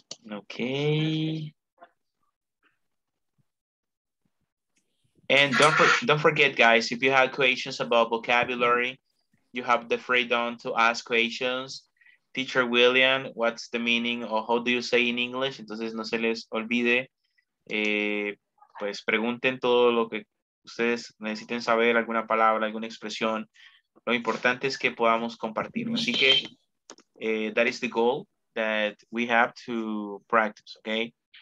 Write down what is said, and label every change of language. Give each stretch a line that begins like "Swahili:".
English: Okay. And don't forget, guys, if you have questions about vocabulary, you have the freedom to ask questions. Teacher William, what's the meaning or how do you say in English?
Spanish: Entonces, no se les olvide. Pues pregunten todo lo que ustedes necesiten saber, alguna palabra, alguna expresión. Lo importante es que podamos compartir. Así que
English: that is the goal that we have to practice, okay?